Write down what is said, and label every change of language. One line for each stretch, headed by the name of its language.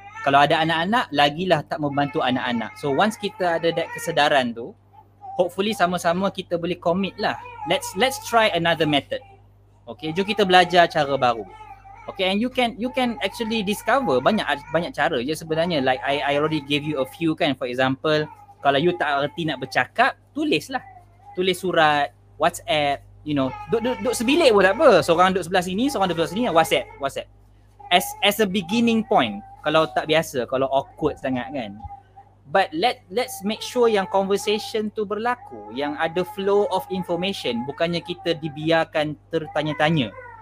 Malay: Kalau ada anak-anak, lagilah tak membantu anak-anak. So once kita ada that kesedaran tu,
English: hopefully
Malay: sama-sama kita boleh commit lah.
English: Let's try another method. Okay,
Malay: jom kita belajar cara baru.
English: Okay, and you can actually discover
Malay: banyak cara je sebenarnya.
English: Like I already gave you a few kan. For example,
Malay: kalau you tak erti nak bercakap, tulislah. Tulis surat, WhatsApp,
English: you know.
Malay: Duduk sebilik pun tak apa. Seorang duduk sebelah sini, seorang duduk sebelah sini, WhatsApp.
English: As a beginning point,
Malay: kalau tak biasa, kalau awkward sangat kan.
English: But let's make sure
Malay: yang conversation tu berlaku, yang ada flow of information, bukannya kita dibiarkan tertanya-tanya.